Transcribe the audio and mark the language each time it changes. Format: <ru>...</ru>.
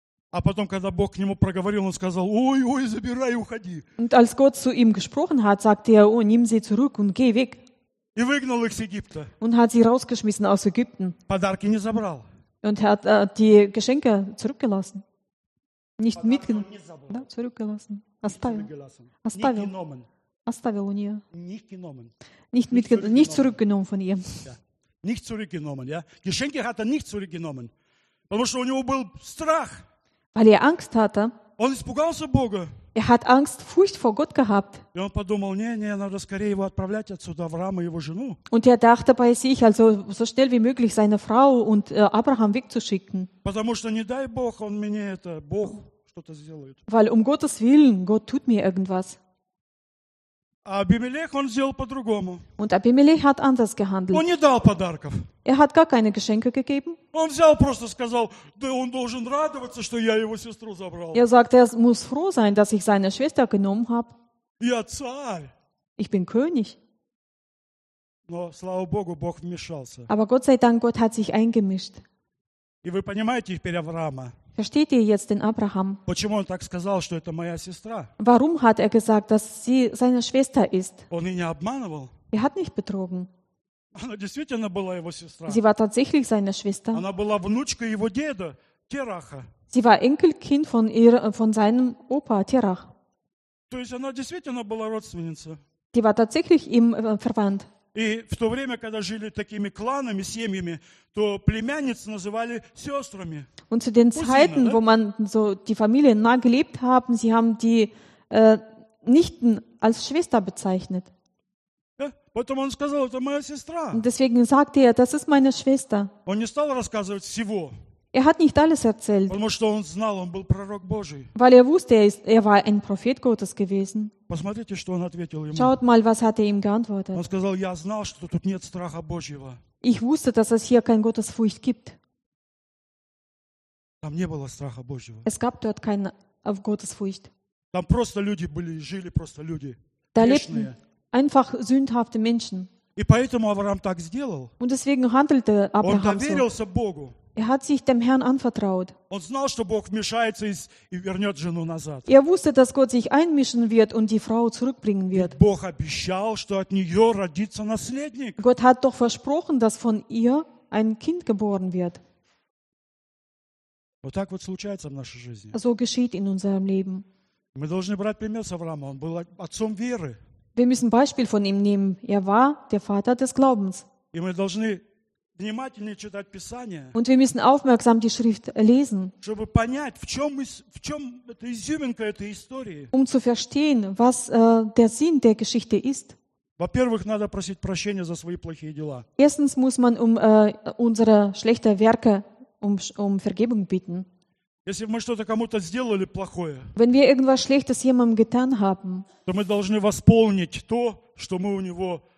<ru>А потом, когда Бог к нему проговорил, он сказал: «Ой, ой, забирай, уходи».</ru> <de>Und als Gott zu ihm gesprochen hat, sagte er: «Oh, nimm sie zurück und geh weg».</de> <ru>И выгнал их из Египта.</ru> <de>Und hat sie rausgeschmissen aus Ägypten.</de> <ru>Подарки не забрал.</ru> <de>Und hat die Geschenke zurückgelassen. Nicht mitgenommen.</de> <ru>Да,</ru> <de>zurückgelassen.</de> <ru>Оставил. Оставил у нее.</ru> <de>Nicht zurückgenommen von ihr. Nicht zurückgenommen, ja. Geschenke hat nicht zurückgenommen.</de> <ru>Потому что у него был страх.</ru> <de>Weil er Angst hatte.</de> <ru>Он испугался Бога.</ru> <de>Er hat Angst, Furcht vor Gott gehabt.</de> <ru>И он подумал: «Не-не, надо скорее его отправлять отсюда, Авраама и его жену».</ru> <de>Und er dachte bei sich, also so schnell wie möglich seine Frau und Abraham wegzuschicken.</de> <ru>Потому что не дай Бог, он мне это, Бог что-то сделает.</ru> <de>Weil um Gottes Willen, Gott tut mir irgendwas.</de> <ru>А Абимелех он сделал по-другому.</ru> <de>Und Abimelech hat anders gehandelt.</de> <ru>Он не дал подарков.</ru> <de>Er hat gar keine Geschenke gegeben.</de> <ru>Он взял, просто сказал: «Да он должен радоваться, что я его сестру забрал».</ru> <de>Er sagt, er muss froh sein, dass ich seine Schwester genommen habe.</de> <ru>Я царь.</ru> <de>Ich bin König.</de> <ru>Но, слава Богу, Бог вмешался.</ru> <de>Aber Gott sei Dank, Gott hat sich eingemischt.</de> <ru>И вы понимаете теперь Авраама?</ru> <de>Versteht ihr jetzt den Abraham?</de> <ru>Почему он так сказал, что это моя сестра?</ru> <de>Warum hat er gesagt, dass sie seine Schwester ist?</de> <ru>Он ее не обманывал.</ru> <de>Er hat nicht betrogen.</de> <ru>Она действительно была его сестра.</ru> <de>Sie war tatsächlich seine Schwester.</de> <ru>Она была внучка его деда, Тераха.</ru> <de>Sie war Enkelkind von ihr, von seinem Opa, Terach.</de> <ru>То есть она действительно была родственница.</ru> <de>Die war tatsächlich ihm verwandt.</de> <ru>И в то время, когда жили такими кланами, семьями, то племянниц называли сестрами.</ru> <de>Und zu den Zeiten, wo man so die Familien nah gelebt haben, sie haben die Nichten als Schwester bezeichnet. Ja,</de> <ru>потом он сказал: «Это моя сестра».</ru> <de>Und deswegen sagte er: «Das ist meine Schwester».</de> <ru>Он не стал рассказывать всего.</ru> <de>Er hat nicht alles erzählt.</de> <ru>Потому что он знал, он был пророк Божий.</ru> <de>Weil er wusste, er war ein Prophet Gottes gewesen.</de> <ru>Посмотрите, что он ответил ему.</ru> <de>Schaut mal, was hat er ihm geantwortet.</de> <ru>Он сказал: «Я знал, что тут нет страха Божьего».</ru> <de>Ich wusste, dass es hier kein Gottesfurcht gibt.</de> <ru>Там не было страха Божьего.</ru> <de>Es gab dort keine Gottesfurcht.</de> <ru>Там просто люди были, жили просто люди.</ru> <de>Da lebten einfach sündhafte Menschen.</de> <ru>И поэтому Авраам так сделал.</ru> <de>Und deswegen handelte Abraham so.</de> <ru>Он доверился Богу.</ru> <de>Er hat sich dem Herrn anvertraut.</de> <ru>Он знал, что Бог вмешается и вернет жену назад.</ru> <de>Er wusste, dass Gott sich einmischen wird und die Frau zurückbringen wird.</de> <ru>Ведь Бог обещал, что от нее родится наследник.</ru> <de>Gott hat doch versprochen, dass von ihr ein Kind geboren wird.</de> <ru>Вот так вот случается в нашей жизни.</ru> <de>So geschieht in unserem Leben.</de> <ru>Мы должны брать пример с Авраама. Он был отцом веры.</ru> <de>Wir müssen Beispiel von ihm nehmen. Er war der Vater des Glaubens.</de> <ru>И мы должны внимательнее читать Писание.</ru> <de>Und wir müssen aufmerksam die Schrift lesen.</de> <ru>Чтобы понять, в чем эта изюминка этой истории.</ru> <de>Um zu verstehen, was der Sinn der Geschichte ist.</de> <ru>Во-первых, надо просить прощения за свои плохие дела.</ru> <de>Erstens muss man um unsere schlechten Werke um Vergebung bitten.</de> <ru>Если мы что-то кому-то сделали плохое,</ru> <de>wenn wir irgendwas Schlechtes jemandem getan haben,</de> <ru>то мы должны восполнить то, что мы у него,</ru>